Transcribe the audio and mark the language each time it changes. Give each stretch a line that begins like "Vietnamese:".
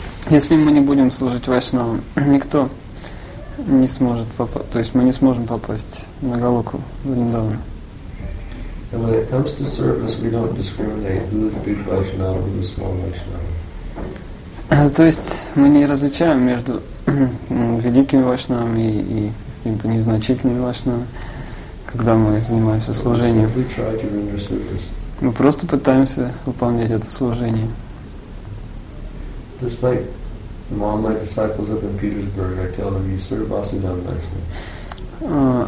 Russian: Если мы не будем служить Вайшнавам, никто не сможет попасть, то есть мы не сможем попасть на Голоку Вриндавана.
English: And when it comes to service, we don't discriminate who is a big Vaishnava, who is a small Vaishnava.
Russian: То есть мы не различаем между великими Вайшнавами и какими-то незначительными Вайшнавами, когда мы занимаемся служением.
English: We try to render service.
Russian: Мы просто пытаемся выполнять это служение.
English: Just like all my disciples up in Petersburg, I tell them, you serve Vasudev nicely.